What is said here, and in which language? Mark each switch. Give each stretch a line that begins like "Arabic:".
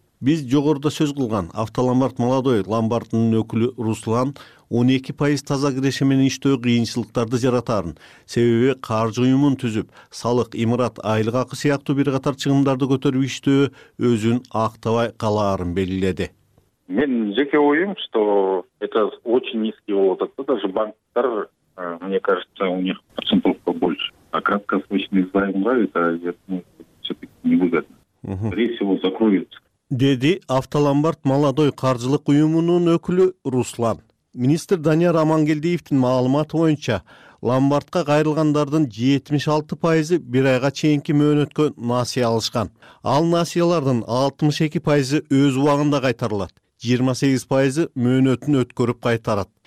Kyrgyz: Биз жогоруда сөз кылган автоломбард Молодой ломбардынын өкүлү Руслан 12% таза киреши менен иштөө кыйынчылыктарды жаратарын, себеби каржы уюмун түзүп, салык, имарат, айлык акы сыяктуу бир катар чыгымдарды көтөрүп иштөө өзүн актабай калаарын белгиледи. Мен жеке оюм,
Russian: что это очень низкий
Kyrgyz: болуп атат да,
Russian: даже банктар, мне кажется, у них процентов побольше. А краткосрочный займ все-таки не выгодно. Скорее всего, закроются.
Kyrgyz: Деди автоломбард Молодой каржылык уюмунун өкүлү Руслан. Министр Данияр Амангелдиевдин маалыматы боюнча ломбардка кайрылгандардын 76% бир айга чейинки мөөнөткө насыя алышкан. Ал насыялардын 62% өз убагында кайтарылат, 28% мөөнөтүн өткөрүп кайтарат.